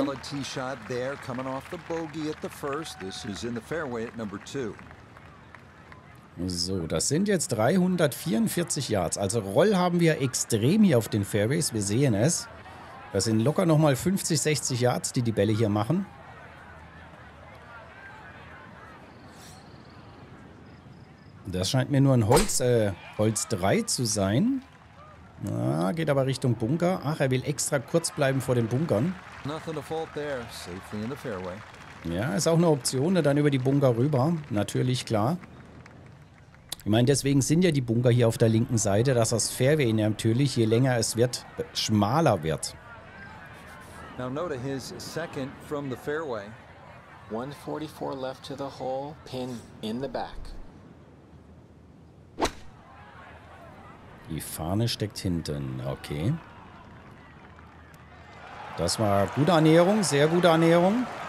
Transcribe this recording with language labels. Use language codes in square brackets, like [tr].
[en] Good solid tee shot there, coming off the bogey at the first. This is in the fairway at number two. [de] So, das sind jetzt 344 Yards. Also Roll haben wir extrem hier auf den Fairways. Wir sehen es. Das sind locker nochmal 50, 60 Yards, die Bälle hier machen. Das scheint mir nur ein Holz 3 zu sein. Ah, geht aber Richtung Bunker. Ach, er will extra kurz bleiben vor den Bunkern. [en] Nothing to fault there. Safely in the fairway. [de] Ja, ist auch eine Option, dann über die Bunker rüber. Natürlich, klar. Ich meine, deswegen sind ja die Bunker hier auf der linken Seite, dass das Fairway natürlich, je länger es wird, schmaler wird. [en] Now note his second from the fairway. 144 left to the hole, pin in the back. [de] Die Fahne steckt hinten, okay. Das war gute Annäherung, sehr gute Annäherung.